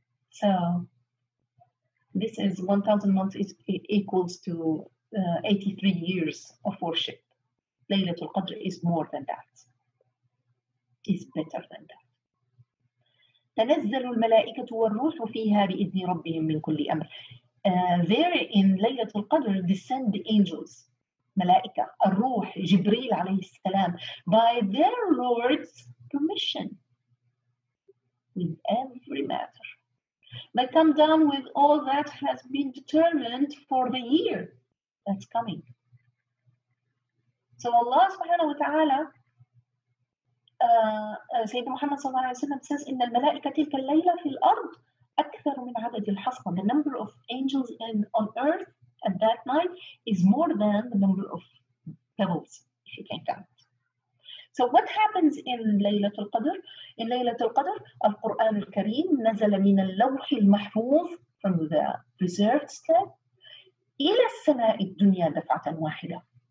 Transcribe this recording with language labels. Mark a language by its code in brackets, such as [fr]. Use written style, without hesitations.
[en] So this is 1,000 months is equals to 83 years of worship. Laylatul Qadr is more than that, is better than that. [ar] تنزل الملائكة والروح فيها بإذن ربهم من كل أمر. [en] There in Laylatul Qadr descend the angels, [ar] ملائكة, الروح, جبريل عليه السلام, [en] by their Lord's permission, with every matter. They come down with all that has been determined for the year that's coming. So Allah subhanahu wa ta'ala, Sayyidina Muhammad صلى الله عليه وسلم says, [ar] إن الملائكة تلك الليلة في الأرض أكثر من عدد الحصن. [en] The number of angels on earth at that night is more than the number of pebbles, if you can count. So what happens in ليلة القدر? In [ar] ليلة القدر, القرآن الكريم نزل من اللوح المحفوظ, [en] from the preserved step, [ar] إلى السماء الدنيا دفعة واحدة.